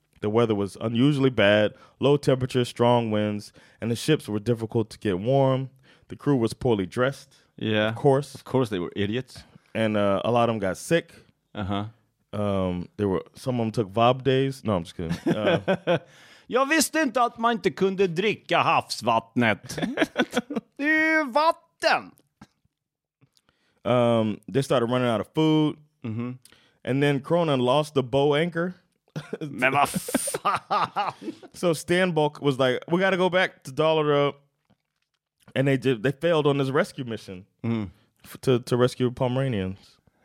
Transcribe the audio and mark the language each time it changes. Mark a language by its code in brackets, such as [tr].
[en] The weather was unusually bad, low temperatures, strong winds, and the ships were difficult to get warm. The crew was poorly dressed. Yeah. Of course. Of course they were idiots. And a lot of them got sick. Uh-huh. Some of them took vab days. No, I'm just kidding. [sv] Jag visste inte att man inte kunde dricka havsvattnet. Det är ju vatten! [en] They started running out of food. Mm-hmm. And then Kronan lost the bow anchor. [sv] Men vad fan? [en] So Stenbock was like, we got to go back to Dalarö. And they failed on this rescue mission to rescue Pomeranians.